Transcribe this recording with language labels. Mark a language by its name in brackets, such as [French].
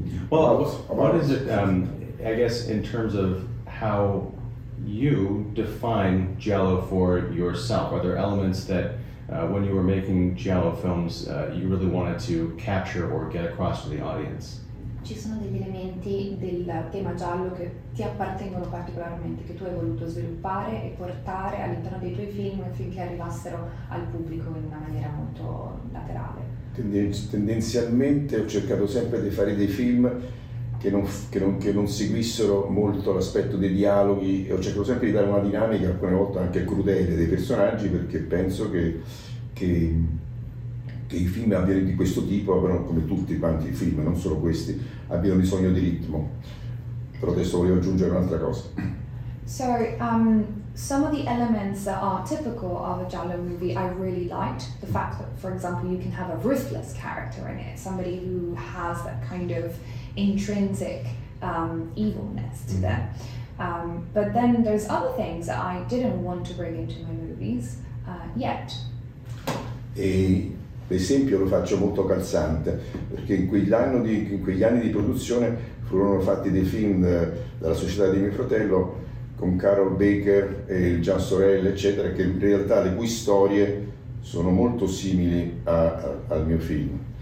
[English] Well, what is it, I guess, in terms of how you define giallo for yourself? Are there elements that when you were making giallo films, you really wanted to capture or get across to the audience? [Italian] Ci sono degli elementi del tema giallo che ti appartengono particolarmente, che tu hai voluto sviluppare e portare all'interno dei tuoi film affinché arrivassero al pubblico in una maniera molto laterale? Tendenzialmente ho cercato sempre di fare dei film che non seguissero molto l'aspetto dei dialoghi, e ho cercato sempre di dare una dinamica, alcune volte anche crudele, dei personaggi, perché penso che i film abbiano di questo tipo, però come tutti quanti i film, non solo questi, abbiano bisogno di ritmo. Però adesso volevo aggiungere un'altra cosa. [English] So, some of the elements that are typical of a giallo movie I really liked. The fact that, for example, you can have a ruthless character in it, somebody who has that kind of intrinsic evilness to them. But then there's other things that I didn't want to bring into my movies yet. [Italian] E l'esempio lo faccio molto calzante, perché in quegli anni di produzione furono fatti dei film dalla società di mio fratello con Carol Baker e Gian Sorel, eccetera, che in realtà le cui storie sono molto simili al mio film.